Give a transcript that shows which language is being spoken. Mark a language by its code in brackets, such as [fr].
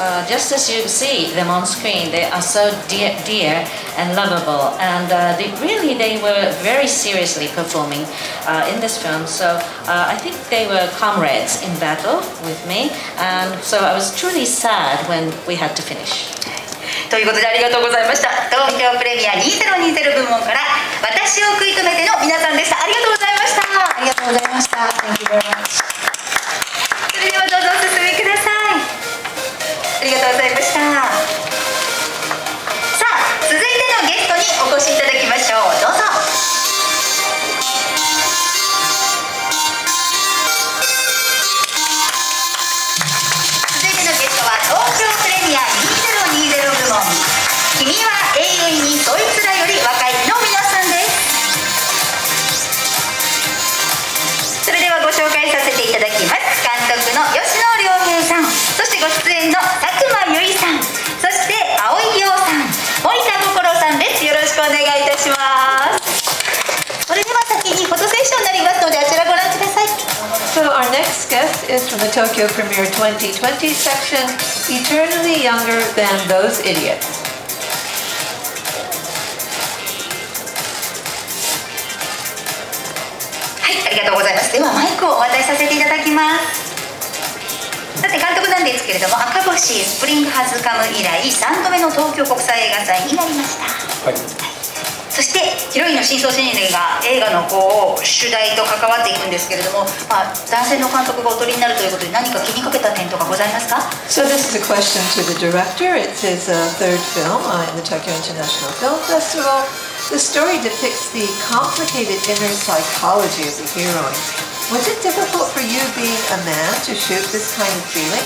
[en] Just as you see them on screen, they are so dear and lovable, and they were very seriously performing in this film. So I think they were comrades in battle with me, and so I was truly sad when we had to finish. [ja] ということでありがとうございました。東京プレミア2020部門から私を食い止めての皆さんでした。ありがとうございました。ありがとうございました。 [en] Thank you very much. [ja] それではどうぞお進みください。ありがとうございました。さあ続いてのゲストにお越しいただきましょう。どうぞ。続いてのゲストは東京プレミア2020部門、君は永遠にそいつらより若いの皆さんです。それではご紹介させていただきます。監督の吉野良平さん、そしてご出演の佐久間由衣さん、そして蒼井陽さん、森田心さんです。よろしくお願いいたします。それでは先にフォトセッションになりますので、あちらご覧ください。 [en] So our next guest is from the Tokyo Premiere 2020 section, Eternally Younger Than Those Idiots. [ja] はい、ありがとうございます。ではマイクをお渡しさせていただきます。さて監督なんですけれども、赤星スプリングハズカム以来3度目の東京国際映画祭になりました。はい、そしてヒロインの深層心理が映画のこう主題と関わっていくんですけれども、まあ、男性の監督がおとりになるということで何か気にかけた点とかございますか？ [en] So this is a question to the director. It's his third film in the Tokyo International Film Festival. The story depicts the complicated inner psychology of the heroine. Was it difficult for you being a man to shoot this kind of feeling?